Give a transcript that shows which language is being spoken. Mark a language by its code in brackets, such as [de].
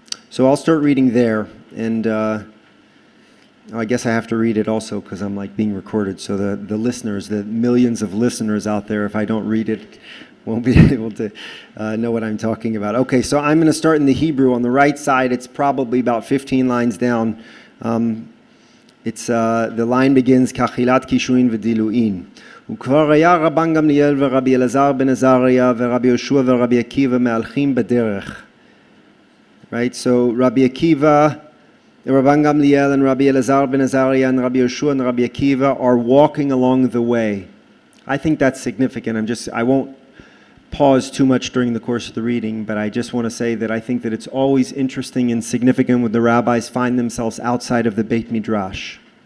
[en] So I'll start reading there, and I guess I have to read it also because I'm like being recorded. So the listeners, the millions of listeners out there, if I don't read it, won't be able to know what I'm talking about. Okay, so I'm going to start in the Hebrew on the right side. It's probably about 15 lines down. The line begins, Kachilat Kishuin V'Diluin. [he] וכבר היה רבן גמליאל ורבי אלעזר בן עזריה ורבי יהושע ורבי עקיבא מהלכים בדרך. [en] Right, so Rabbi Akiva, רבן גמליאל and Rabbi Elazar ben Azariah and Rabbi Yeshua and Rabbi Akiva are walking along the way. I think that's significant. I won't pause too much during the course of the reading, but I just want to say that I think that it's always interesting and significant when the rabbis find themselves outside of the Beit Midrash.